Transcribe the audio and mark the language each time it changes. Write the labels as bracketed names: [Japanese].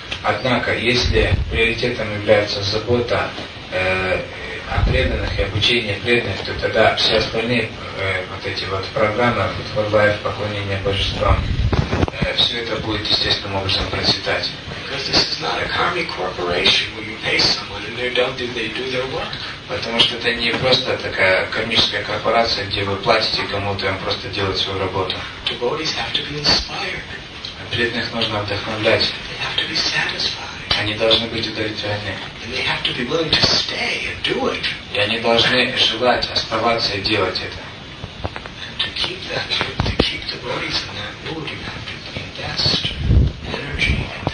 [Russian] Однако, если приоритетом является забота о преданных и обучение преданных, то тогда все остальные вот эти вот программы, вот Фудфорлайф, поклонение божествам, все это будет естественным образом процветать. [English] Because this is not a karmic corporation where you pay someone and they're done, they do their work. [Russian] Потому что это не просто такая кармическая корпорация, где вы платите кому-то, и он просто делает свою работу. [English] Devotees have to be inspired. [Russian] Преданных нужно вдохновлять. [English] They have to be satisfied. [Russian] Они должны быть удовлетворены. [English] And they have to be willing to stay and do it. [Russian] И они должны желать оставаться и делать это. [English] And to keep that, to keep the devotees in that mood, you have to invest energy.